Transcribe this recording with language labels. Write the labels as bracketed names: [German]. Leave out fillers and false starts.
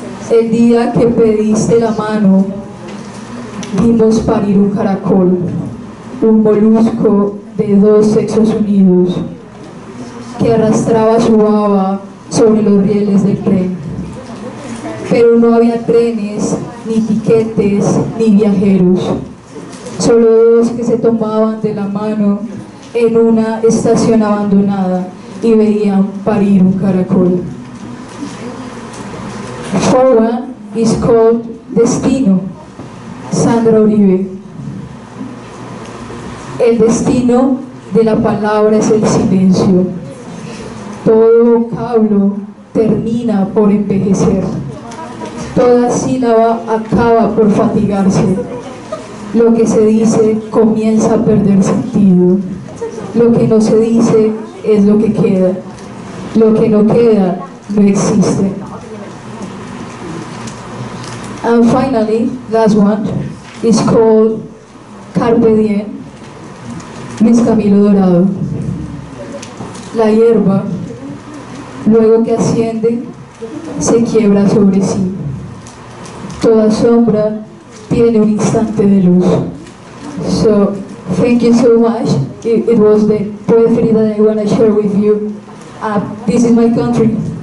[Spanish] El día que pediste la mano, vimos parir un caracol, un molusco de dos sexos unidos, que arrastraba su baba sobre los rieles del tren. Pero no había trenes, ni tiquetes, ni viajeros. Solo dos que se tomaban de la mano en una estación abandonada y veían parir un caracol. [English] Fourth one is called Destino, Sandra Uribe. [Spanish] El destino de la palabra es el silencio. Todo vocablo termina por envejecer. Toda sílaba acaba por fatigarse. Lo que se dice comienza a perder sentido. Lo que no se dice es lo que queda. Lo que no queda no existe. [English] And finally, last one is called Carpe Diem, Luis Camilo Dorado. [Spanish] La hierba, luego que asciende, se quiebra sobre sí. Toda sombra tiene un instante de luz. [English] So, thank you so much. It was the poetry that I want to share with you. This is my country.